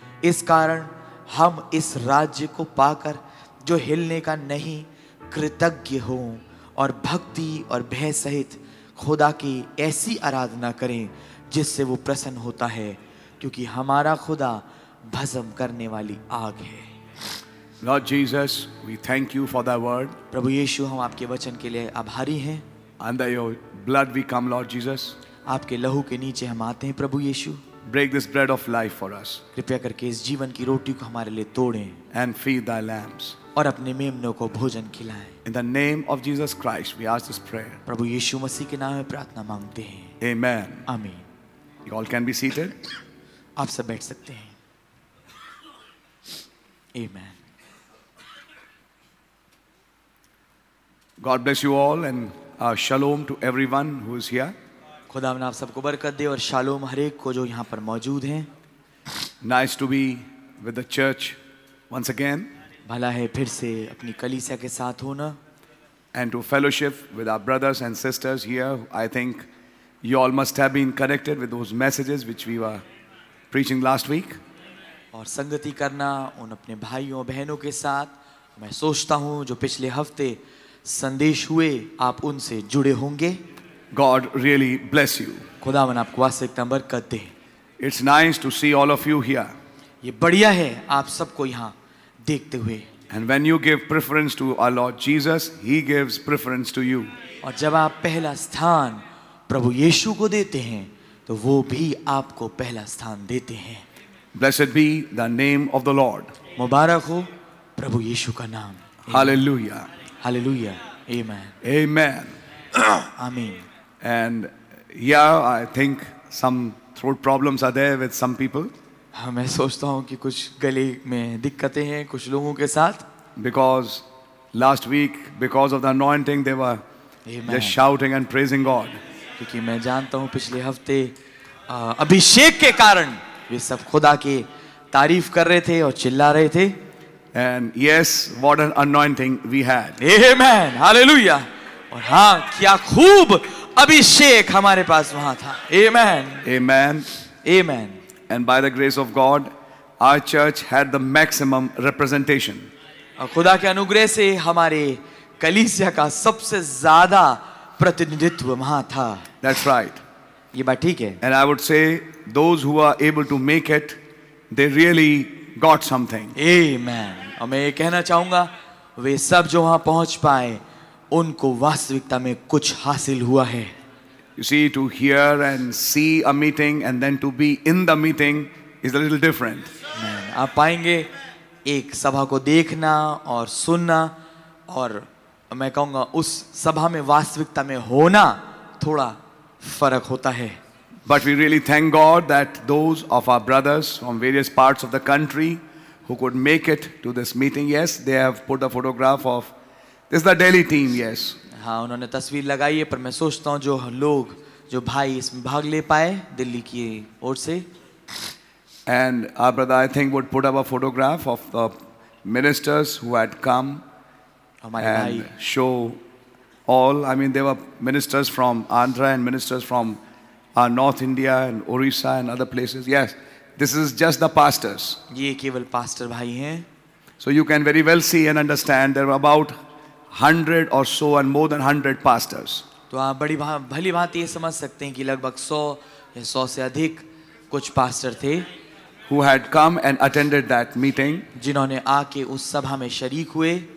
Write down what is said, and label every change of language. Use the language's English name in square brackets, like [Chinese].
[Hindi] इस कारण हम इस राज्य को पाकर जो हिलने का नहीं कृतज्ञ हों और भक्ति और भय सहित खुदा की ऐसी आराधना करें जिससे वो प्रसन्न होता है, क्योंकि हमारा खुदा भस्म करने वाली आग है. [English] Lord Jesus, we thank you for that word. [Hindi] प्रभु यीशु, हम आपके वचन के लिए आभारी हैं. [English] Under your blood we come, Lord Jesus. [Hindi] आपके लहू के नीचे हम आते हैं प्रभु यीशु. [English] Break this bread of life for us. [Hindi] कृपया करके इस जीवन की रोटी को हमारे लिए तोड़ें. [English] And feed thy lambs. [Hindi] और अपने मेमनों को भोजन खिलाएं. [English] In the name of Jesus Christ, we ask this prayer. [Hindi] प्रभु यीशु मसीह के नाम में प्रार्थना मांगते हैं. [English] Amen. [Hindi] आमीन. [English] You all can be seated. [Hindi] आप सब बैठ सकते हैं. [English] Amen. God bless you all and shalom to everyone who is here. [Hindi] खुदा ने आप सबको बरकत दे और शालोम हर एक को जो यहाँ पर मौजूद हैं. [English] Nice to be with the church once again. [Hindi] भला है फिर से अपनी कलीसिया के साथ होना. [English] And to fellowship with our brothers and sisters here. I think you all must have been connected with those messages which we were preaching last week. [Hindi] और संगति करना उन अपने भाइयों बहनों के साथ. मैं सोचता हूँ जो पिछले हफ्ते संदेश हुए आप उनसे जुड़े होंगे. [English] God really bless you. [Hindi] खुदावन आपको वास्तविकता बरकत दे. [English] It's nice to see all of you here. [Hindi] ये बढ़िया है आप सबको यहाँ देखते हुए. [English] And when you give preference to our Lord Jesus, He gives preference to you. [Hindi] और जब आप पहला स्थान प्रभु यीशु को देते हैं तो वो भी आपको पहला स्थान देते हैं. [English] Blessed be the name of the Lord. [Hindi] मुबारक हो प्रभु यीशु का नाम. [English] Hallelujah. Hallelujah. Amen. Amen. Amen. And yeah, I think some throat problems are there with some people. [Hindi] हाँ, मैं सोचता हूँ कि कुछ गले में दिक्कतें हैं कुछ लोगों के साथ. [English] Because Last week, because of the anointing, they were Amen. Just shouting and praising God. [Hindi] क्योंकि मैं जानता हूँ पिछले हफ्ते अभिषेक के कारण वे सब खुदा की तारीफ कर रहे थे और चिल्ला रहे थे. [English] And yes, what an anointing we had. Amen. Hallelujah. [Hindi] और हाँ, क्या खूब अभिषेक हमारे पास वहाँ था. [English] Amen. Amen. Amen. And by the grace of God, our church had the maximum representation. [Hindi] और खुदा के अनुग्रह से हमारे कलीसिया का सबसे ज्यादा प्रतिनिधित्व वहां था. [English] That's right. [Hindi] ये बात ठीक है. [English] And I would say those who are able to make it, they really got something. Amen. [Hindi] और मैं ये कहना चाहूंगा वे सब जो वहां पहुंच पाए उनको वास्तविकता में कुछ हासिल हुआ है. [English] You see, to hear and see a meeting and then to be in the meeting is a little different. [Hindi] आप पाएंगे एक सभा को देखना और सुनना और मैं कहूंगा उस सभा में वास्तविकता में होना थोड़ा फर्क होता है. [English] But we really thank God that those of our brothers from various parts of the country who could make it to this meeting, yes, they have put a photograph of this is the Delhi team, yes. [Hindi] हाँ, उन्होंने तस्वीर लगाई है, पर मैं सोचता हूँ जो लोग जो भाई इसमें भाग ले पाए दिल्ली की ओर से. [English] And our brother, I think, would put up a photograph of the ministers who had come [Hindi] हमारे [English] and [Hindi] भाई. [English] Show all. I mean, there were ministers from Andhra and ministers from our North India and Orissa and other places. Yes, this is just the pastors. [Hindi] ये केवल pastor भाई हैं. [English] So you can very well see and understand there were about 100 or so and more than 100 pastors. [Hindi] तो आप बड़ी भली भांति ये समझ सकते हैं कि लगभग 100 या 100 से अधिक कुछ पास्टर थे. [English] Who had come and attended that meeting. [Hindi] जिन्होंने आके उस सभा में शरीक हुए.